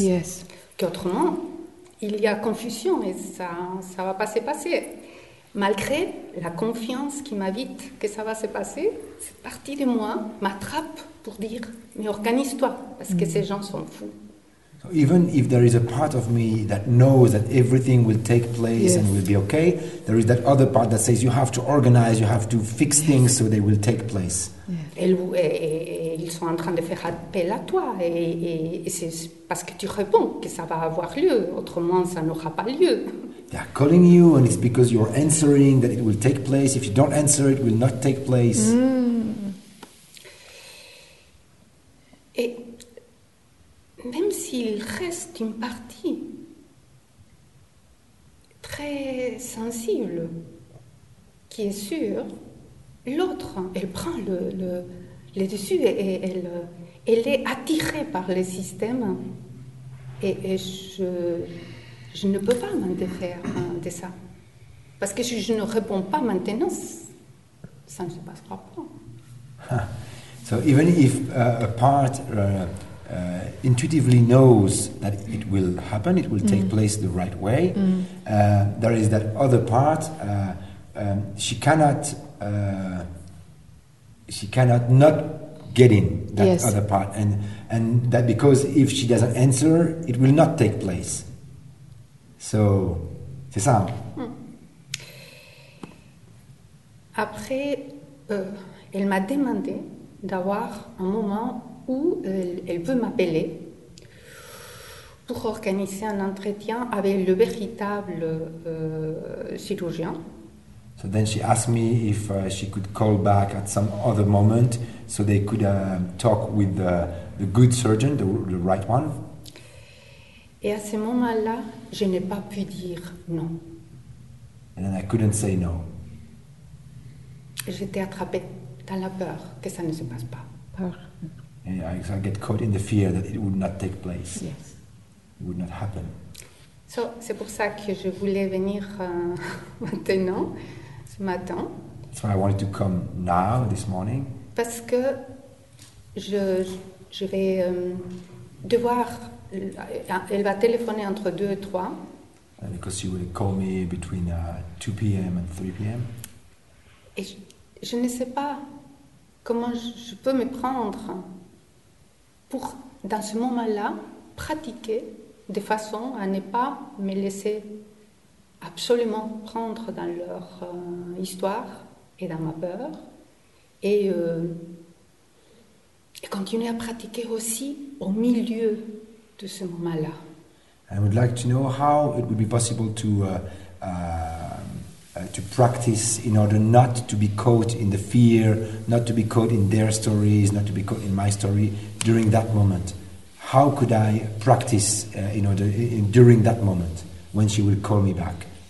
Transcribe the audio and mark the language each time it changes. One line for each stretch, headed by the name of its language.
English: Yes.
French: Qu'autrement, il y a confusion et ça va pas se passer. Malgré la confiance qui m'invite que ça va se passer, cette partie de moi m'attrape pour dire « Mais organise-toi, parce que ces gens sont fous. »
English: Even if there is a part of me that knows that everything will take place and will be okay, there is that other part that says you have to organize, you have to fix things so they will take place.
French: Ils sont en train de faire appel à toi et c'est parce que tu réponds que ça va avoir lieu, autrement ça n'aura pas lieu.
English: They are calling you and it's because you're answering that it will take place. If you don't answer, it will not take place.
French: Et même s'il reste une partie très sensible qui est sûre, l'autre, elle prend le dessus, et elle est attirée par le système, et je ne peux pas m'en défaire de ça. Parce que si je ne réponds pas maintenant, ça ne se passera pas.
English: So even if a part intuitively knows that it will happen, it will take place the right way, there is that other part, she cannot not get in that other part, and that because if she doesn't answer, it will not take place.
French: So, c'est ça. Après, elle m'a demandé d'avoir un moment où elle veut m'appeler pour organiser un entretien avec le véritable chirurgien.
English: So then she asked me if she could call back at some other moment so they could talk with the good surgeon, the right one.
French: Et à ce moment-là, je n'ai pas pu dire non.
English: And then I couldn't say no.
French: J'étais attrapée dans la peur que ça ne se passe pas. Peur.
English: And I get caught in the fear that it would not take place. Yes. It would not happen.
French: So, c'est pour ça que je voulais venir maintenant, ce matin.
English: That's why I wanted to come now, this morning.
French: Parce que je vais devoir... Elle va téléphoner entre 2 et 3.
English: And because she will call me between 2 p.m. and 3 p.m.
French: Et je ne sais pas comment je peux me prendre pour, dans ce moment-là, pratiquer de façon à ne pas me laisser absolument prendre dans leur histoire et dans ma peur, et continuer à pratiquer aussi au milieu de ce moment-là.
English: I would like to know how it would be possible to practice in order not to be caught in the fear, not to be caught in their stories, not to be caught in my story during that moment. How could I practice during that moment when she will call me back?